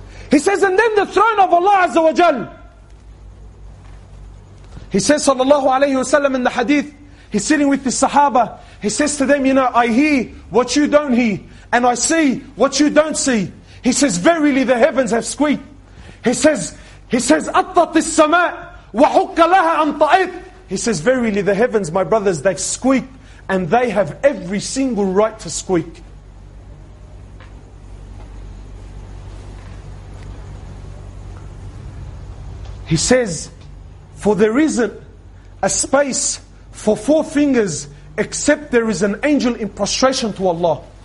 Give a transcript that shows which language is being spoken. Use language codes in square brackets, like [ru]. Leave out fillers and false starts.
[en] He says, and then the throne of Allah Azza wa Jal. He says, sallallahu alayhi wa sallam, in the hadith, he's sitting with the Sahaba. He says to them, you know, I hear what you don't hear, and I see what you don't see. He says, verily the heavens have squeaked. [ar] He says, أطت السماء وحق لها أن طأت. [en] He says, verily the heavens, my brothers, they've squeaked and they have every single right to squeak. He says, For there isn't a space for four fingers except there is an angel in prostration to Allah.